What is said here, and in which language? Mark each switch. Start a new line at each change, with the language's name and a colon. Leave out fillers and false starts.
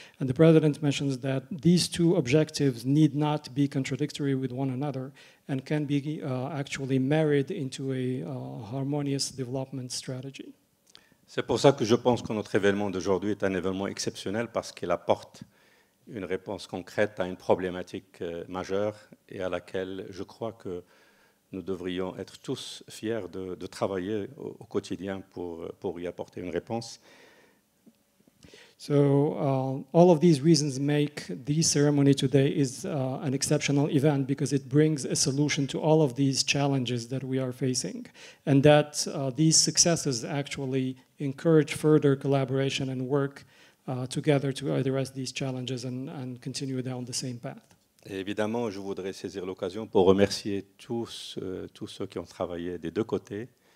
English: And the president mentions that these two objectives need not be contradictory with one another and can be actually married into a harmonious development strategy.
French: C'est pour ça que je pense que notre événement d'aujourd'hui est un événement exceptionnel parce qu'il apporte une réponse concrète à une problématique majeure et à laquelle je crois que nous devrions être tous fiers de travailler au quotidien pour y apporter une réponse.
English: So all of these reasons make this ceremony today is an exceptional event because it brings a solution to all of these challenges that we are facing, and that these successes actually encourage further collaboration and work together to address these challenges and continue down the same path.
French: Et évidemment, je voudrais saisir l'occasion pour remercier tous ceux qui ont travaillé des deux côtés